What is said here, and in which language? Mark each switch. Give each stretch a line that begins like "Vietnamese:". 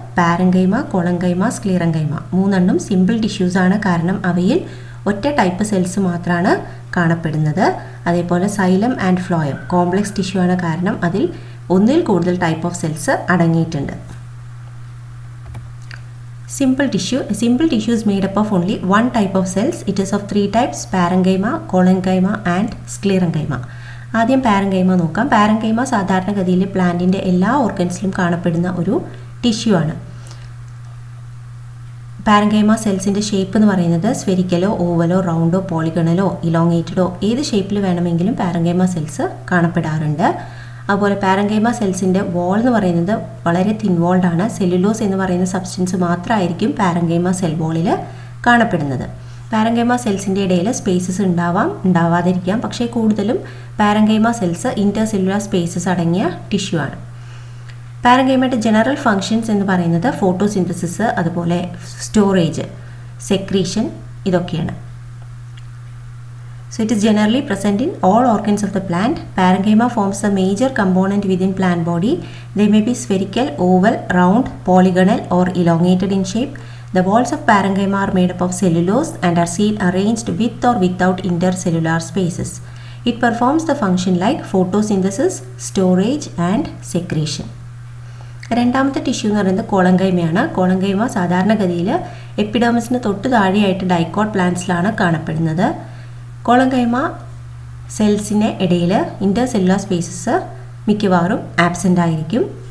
Malayalam: Parenchyma, കോളൻകൈമ, സ്ക്ലീറൻകൈമ മൂന്നെണ്ണം simple tissues ആണ്, കാരണം അവയിൽ ഒറ്റ ടൈപ്പ് സെൽസ് മാത്രമാണ് കാണപ്പെടുന്നത്. അതേപോലെ xylem and phloem complex tissue ആണ്, കാരണം അതിൽ ഒന്നിൽ കൂടുതൽ ടൈപ്പ് ഓഫ് സെൽസ് അടങ്ങിയിട്ടുണ്ട്.
English: Simple tissue is made up of only one type of cells. It is of three types: parenchyma, cholangchyma, and sclerenchyma.
Malayalam: ആദ്യം parenchyma നോക്കാം. പാരൻകൈമ സാധാരണഗതിയിൽ പ്ലാന്റിൻ്റെ എല്ലാ ഓർഗൻസിലും കാണപ്പെടുന്ന ഒരു ടിഷ്യൂ ആണ്. പാരൻകൈമ സെൽസിൻ്റെ ഷേപ്പ് എന്ന് പറയുന്നത് സ്ഫെരിക്കലോ ഓവലോ റൗണ്ടോ പോളിഗണലോ ഇലോങ്ങേറ്റഡോ ഏത് ഷേപ്പിൽ വേണമെങ്കിലും പാരൻകൈമ സെൽസ് കാണപ്പെടാറുണ്ട്. അതുപോലെ പാരൻകൈമ സെൽസിൻ്റെ വോൾ എന്ന് പറയുന്നത് വളരെ തിൻ വോൾഡ് ആണ്. സെല്ലുലോസ് എന്ന് പറയുന്ന സബ്സ്റ്റൻസ് മാത്രമായിരിക്കും പാരൻകൈമ സെൽ വോളിൽ കാണപ്പെടുന്നത്. പാരൻകൈമ സെൽസിൻ്റെ ഇടയിൽ സ്പേസസ് ഉണ്ടാവാം, ഉണ്ടാവാതിരിക്കാം. പക്ഷേ കൂടുതലും parenchyma cells inter cellular spaces അടങ്ങിയ ടിഷ്യൂ ആണ്. പാരൻകൈമയുടെ ജനറൽ ഫങ്ഷൻസ് എന്ന് പറയുന്നത് ഫോട്ടോസിന്തസിസ്, അതുപോലെ സ്റ്റോറേജ്, സെക്രീഷൻ ഇതൊക്കെയാണ്.
English: So it is generally present in all organs of the plant. Parenchyma forms the major component within plant body. They may be spherical, oval, round, polygonal or elongated in shape. The walls of parenchyma are made up of cellulose and are seen arranged with or without intercellular spaces. It performs the function like photosynthesis, storage and secretion.
Malayalam: രണ്ടാമത്തെ tissue എന്ന് പറയുന്നത് കോളൻകൈമയാണ്. കോളൻകൈമ സാധാരണഗതിയിൽ എപ്പിഡേമിസിന് തൊട്ട് താഴെയായിട്ട് dicot പ്ലാന്റ്സിലാണ് കാണപ്പെടുന്നത്. Collenchyma സെൽസിന് ഇടയിൽ ഇൻ്റർ cellular spaces മിക്കവാറും absent ആയിരിക്കും.